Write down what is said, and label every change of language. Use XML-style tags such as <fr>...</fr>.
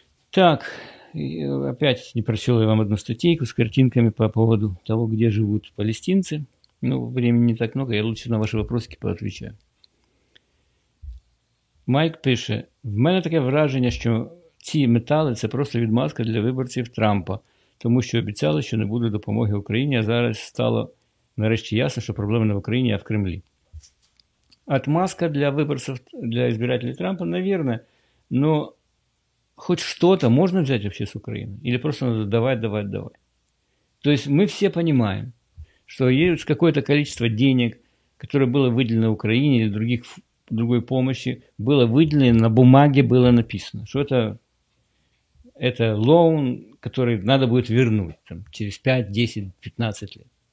<ru>Так, опять не прочел я вам одну статейку с картинками по поводу того, где живут палестинцы. Ну, времени не так много, я лучше на ваши вопросики поотвечаю. Майк пишет,</ru> <uk>в мене таке враження, що ці метали – це просто відмазка для виборців Трампа, тому що обіцяли, що не буде допомоги Україні, а зараз стало нарешті ясно, що проблема не в Україні, а в Кремлі.</uk> <ru>Отмазка</ru> <uk>для виборців,</uk> <ru>для избирателей Трампа, наверное, но хоть что-то можно взять вообще с Украины? Или просто надо давать? То есть мы все понимаем, что есть какое-то количество денег, которое было выделено Украине или другой помощи, было выделено, на бумаге было написано, что это лоун, который надо будет вернуть там, через 5, 10, 15 лет.</ru>